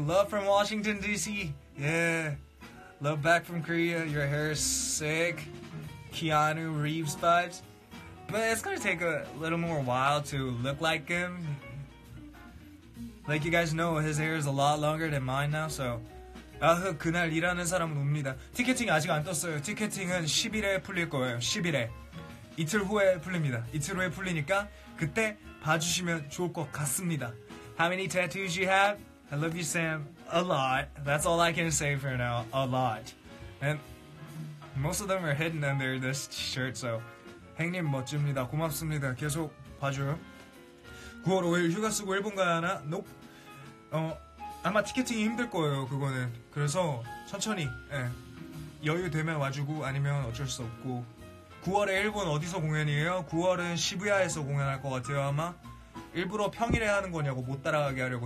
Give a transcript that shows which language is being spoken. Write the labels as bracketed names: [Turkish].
[English] Love from Washington, D.C. Yeah. Love back from Korea. Your hair is sick. Keanu Reeves vibes. But it's gonna take a little more while to look like him. Like you guys know, his hair is a lot longer than mine now, so... [Korean] 아흐, 그날 일하는 사람은 옵니다. 티켓팅 아직 안 떴어요. 티켓팅은 10일에 풀릴 거예요. 10일에. 이틀 후에 풀립니다. 이틀 후에 풀리니까 그때 봐주시면 좋을 것 같습니다. [English] How many tattoos you have? I love you, Sam. A lot. That's all I can say for now. A lot. And most of them are hidden under this shirt, so... [Korean] 형님 멋집니다. 고맙습니다. 계속 봐줘요. 9월 5일 휴가 쓰고 일본 가야 하나? [English] Nope. [Korean] 아마 티켓팅이 힘들 거예요, 그거는. 그래서 천천히, 예. 여유 되면 와주고 아니면 어쩔 수 없고. 9월에 일본 어디서 공연이에요? 9월은 시부야에서 공연할 것 같아요, 아마. 일부러 평일에 하는 거냐고 못 따라가게 하려고.